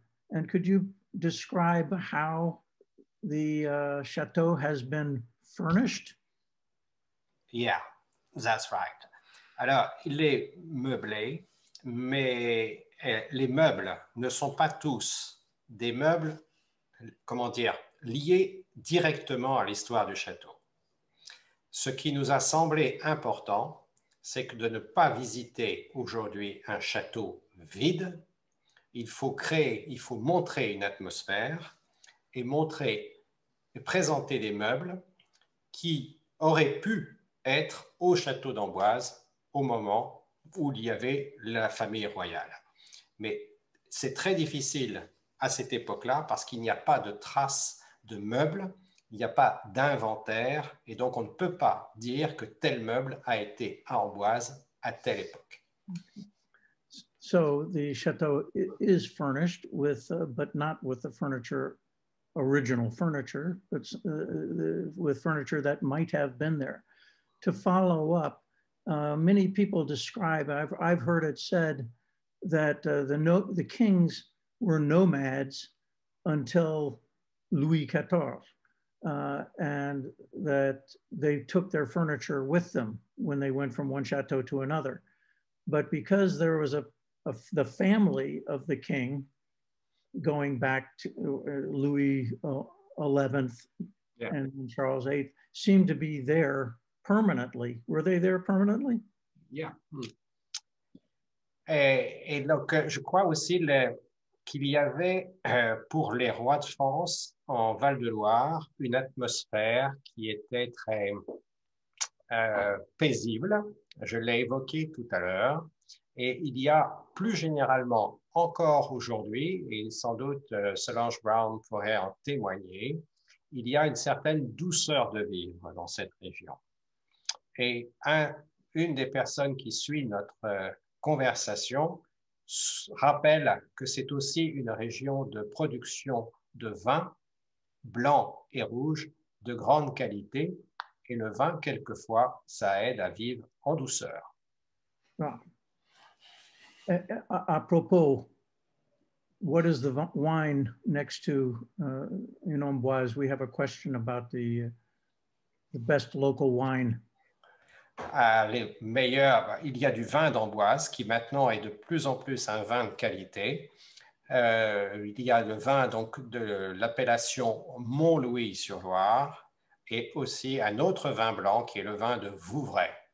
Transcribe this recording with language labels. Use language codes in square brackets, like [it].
[en] And could you describe how the chateau has been furnished? Yeah, that's right. [fr] Alors, il est meublé, mais les meubles ne sont pas tous des meubles, comment dire, liés directement à l'histoire du château. Ce qui nous a semblé important, c'est que de ne pas visiter aujourd'hui un château vide. Il faut créer, il faut montrer une atmosphère et montrer et présenter des meubles qui auraient pu être au château d'Amboise au moment où il y avait la famille royale. Mais c'est très difficile à cette époque-là parce qu'il n'y a pas de traces de meubles, il n'y a pas d'inventaire, et donc on ne peut pas dire que tel meuble a été à Amboise à telle époque. [en] So the château is furnished with, but not with the furniture, original furniture, but with furniture that might have been there. To follow up, many people describe, I've heard it said that the kings were nomads until Louis XIV, and that they took their furniture with them when they went from one chateau to another. But because there was the family of the king going back to Louis XI and Charles VIII seemed to be there permanently. Were they there permanently? Yeah. [fr] Et donc, je crois aussi qu'il y avait pour les rois de France en Val-de-Loire une atmosphère qui était très paisible. Je l'ai évoqué tout à l'heure. Et il y a plus généralement encore aujourd'hui, et sans doute Solange Brown pourrait en témoigner, il y a une certaine douceur de vivre dans cette région. Et une des personnes qui suit notre conversation rappelle que c'est aussi une région de production de vin blanc et rouge de grande qualité. Et le vin, quelquefois, ça aide à vivre en douceur. À propos, [en] what is the wine next to in Amboise? We have a question about the best local wine. [fr] Les meilleurs, il y a du vin d'Amboise qui maintenant est de plus en plus un vin de qualité. Il y a le vin donc de l'appellation Mont-Louis-sur-Loire et aussi un autre vin blanc qui est le vin de Vouvray.